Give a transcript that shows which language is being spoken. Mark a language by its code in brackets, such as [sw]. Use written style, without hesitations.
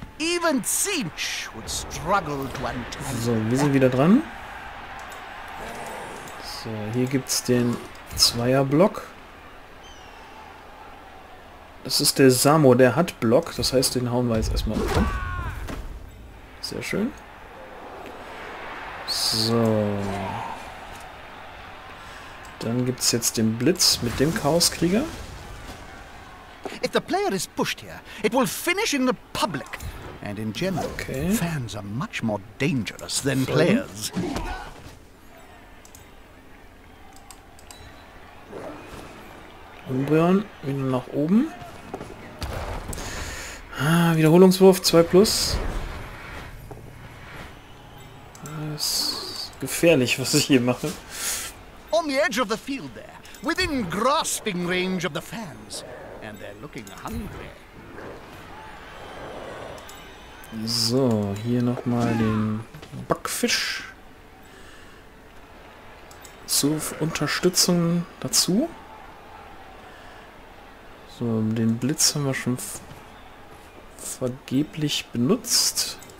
[en] Even Tsinch would struggle to untangle. [de] So, wir sind wieder dran. So, hier gibt's den Zweierblock. Das ist der Samo, der hat Block. Das heißt, den hauen wir jetzt erstmal um. Sehr schön. So. Dann gibt's jetzt den Blitz mit dem Chaoskrieger. [en] If the player is pushed here, it will finish in the public. And in general, okay. Fans are much more dangerous than players. [de] Umbreon, wieder nach oben. Ah, Wiederholungswurf, 2+. Das ist gefährlich, was ich hier mache. [en] On the edge of the field there, within grasping range of the fans. And they're looking hungry. [de] So, hier nochmal den Backfisch zur Unterstützung dazu. So, den Blitz haben wir schon vergeblich benutzt.